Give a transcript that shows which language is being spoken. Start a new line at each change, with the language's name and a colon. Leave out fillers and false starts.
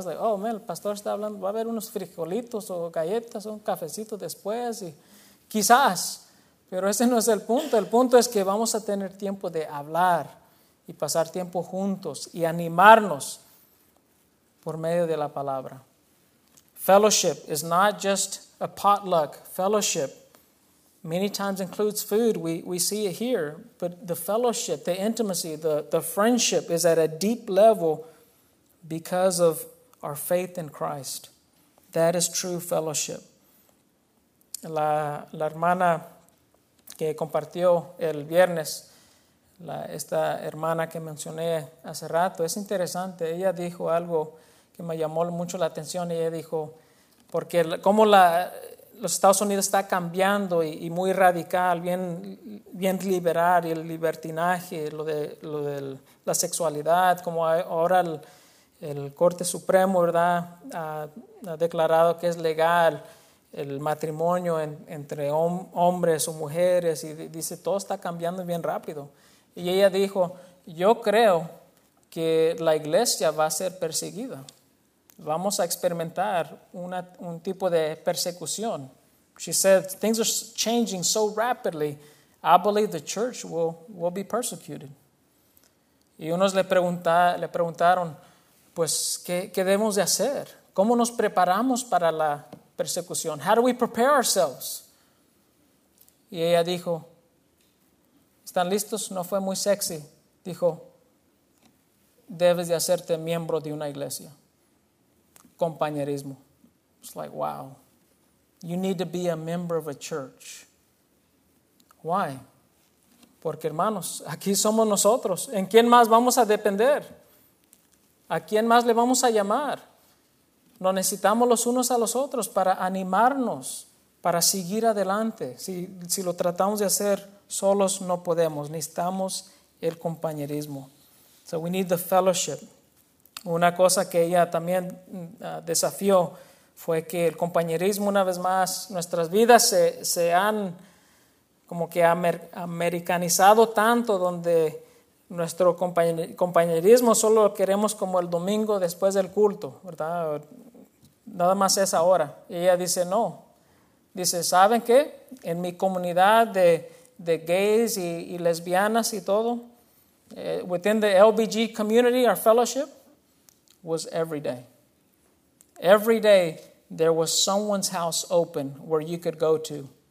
Spanish: Es
English: like, oh, man,
Spanish: el pastor está hablando, va a haber unos frijolitos o galletas o un cafecito después. Y quizás, pero ese no es el punto. El punto es que vamos a tener tiempo de hablar y pasar tiempo juntos y animarnos por medio de la palabra.
English: Fellowship is not just a potluck. Fellowship many times includes food. We see it here. But the fellowship, the intimacy, the friendship is at a deep level because of our faith in Christ. That is true fellowship.
Spanish: La hermana que compartió el viernes, esta hermana que mencioné hace rato, es interesante. Ella dijo algo que me llamó mucho la atención. Ella dijo, porque como los Estados Unidos está cambiando y muy radical, bien liberal, y el libertinaje, lo de la sexualidad, como ahora el Corte Supremo, ¿verdad?, ha declarado que es legal el matrimonio entre hombres o mujeres, y dice, todo está cambiando bien rápido. Y ella dijo, yo creo que la iglesia va a ser perseguida. Vamos a experimentar un tipo de persecución.
English: She said, things are changing so rapidly, I believe the church will be persecuted.
Spanish: Y unos le preguntaron, pues, ¿qué debemos de hacer? ¿Cómo nos preparamos para la persecución?
English: How do we prepare ourselves?
Spanish: Y ella dijo, ¿están listos? No fue muy sexy. Dijo, debes de hacerte miembro de una iglesia.
English: Compañerismo. It's like, wow. You need to be a member of a church. Why?
Spanish: Porque, hermanos, aquí somos nosotros. ¿En quién más vamos a depender? ¿A quién más le vamos a llamar? Nos necesitamos los unos a los otros para animarnos, para seguir adelante. Si lo tratamos de hacer solos, no podemos. Necesitamos el compañerismo.
English: So we need the fellowship.
Spanish: Una cosa que ella también desafió fue que el compañerismo, una vez más, nuestras vidas se han como que americanizado tanto, donde nuestro compañerismo solo lo queremos como el domingo después del culto, ¿verdad? Nada más es ahora. Y ella dice, no. Dice, ¿saben qué? En mi comunidad de gays y lesbianas y todo,
English: within the LBG community, our fellowship, was every day. Every day, there was someone's house open where you could go to.